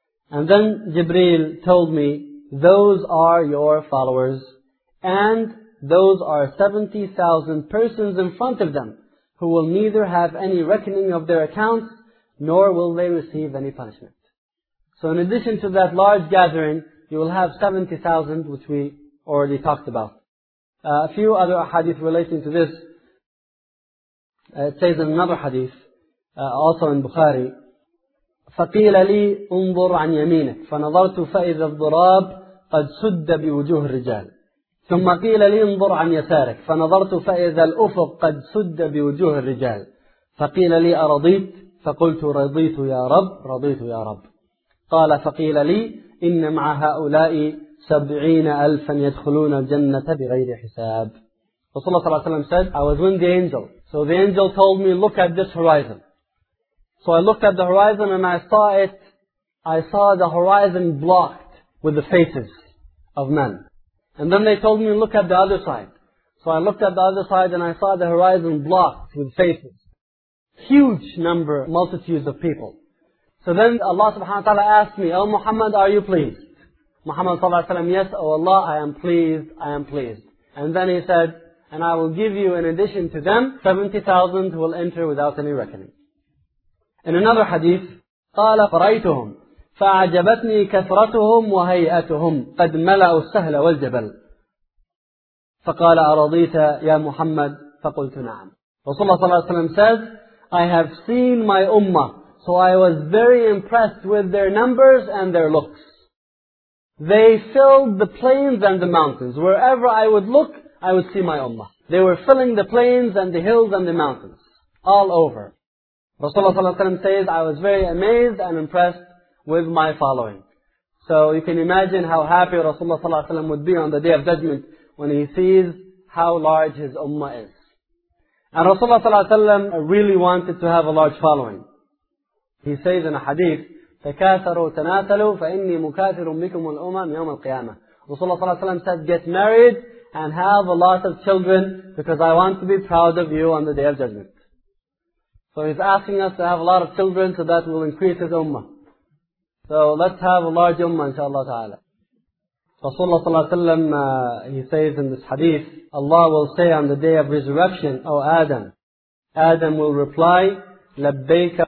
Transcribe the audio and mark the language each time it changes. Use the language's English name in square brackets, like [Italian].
[English] And then Jibreel told me, those are your followers, and those are 70,000 persons in front of them, who will neither have any reckoning of their accounts, nor will they receive any punishment. So in addition to that large gathering, you will have 70,000, which we already talked about. A few other hadith relating to this, it says in another hadith, also in Bukhari, [Arabic] فَقِيلَ لِي أُنظُرْ عَنْ يَمِينَكَ فَنَظَرْتُ فَإِذَا الضُّرَابُ قَدْ سُدَّ بِوُجُوهِ الرِّجَالِ ثُمَّ قِيلَ لِي أُنظُرْ عَنْ يَسَارِكَ فَنَظَرْتُ فَإِذَا الْأُفُقُ قَدْ سُدَّ بِوُجُوهِ الرِّجَالِ فَقِيلَ لِي أَرَضِيتَ فَقُلْتُ رَضِيتُ يَا رَبَّ رَضِيتُ يَا رَبَّ قَالَ فَقِيلَ لِي إِنَّ مَعَ هَؤُلَاءِ 70,000 يَدْخُلُونَ الْجَنَّةَ بِغَيْرِ حِسَابٍ. [English] Rasulullah صلى الله عليه وسلم said, I was with the angel. So the angel told me, look at this horizon. So I looked at the horizon and I saw it. I saw the horizon blocked with the faces of men. And then they told me, look at the other side. So I looked at the other side and I saw the horizon blocked with faces. Huge number, multitudes of people. So then Allah subhanahu wa ta'ala asked me, oh Muhammad, are you pleased? Muhammad sallallahu alayhi wa sallam, yes, oh Allah, I am pleased, I am pleased. And then he said, and I will give you in addition to them, 70,000 who will enter without any reckoning. In another hadith, [Arabic] قَالَ فَرَيْتُهُمْ فَأَعْجَبَتْنِي كَثْرَتُهُمْ وَهَيْئَتُهُمْ قَدْ مَلَأُوا السَّهْلَ وَالْجَبَلِ فَقَالَ أَرَضِيتَ يَا مُحَمَّدْ فَقُلْتُ نَعَمْ. [English] Rasulullah صلى الله عليه وسلم says, I have seen my ummah, so I was very impressed with their numbers and their looks. They filled the plains and the mountains. Wherever I would look, I would see my ummah. They were filling the plains and the hills and the mountains, all over. Rasulullah ﷺ says, I was very amazed and impressed with my following. So you can imagine how happy Rasulullah ﷺ would be on the Day of Judgment when he sees how large his ummah is. And Rasulullah ﷺ really wanted to have a large following. He says in a hadith, [Arabic] تَكَاثَرُوا تَنَاثَلُوا فَإِنِّي مُكَاثِرٌ بِكُمُ الْأُمَمْ يَوْمَ الْقِيَامَةِ. [English] Rasulullah ﷺ said, get married and have a lot of children because I want to be proud of you on the Day of Judgment. So he's asking us to have a lot of children so that will increase his ummah. So let's have a large ummah inshaAllah ta'ala. Rasulullah sallallahu alayhi wa sallam, he says in this hadith, Allah will say on the day of resurrection, O Adam, Adam will reply, Labbayka.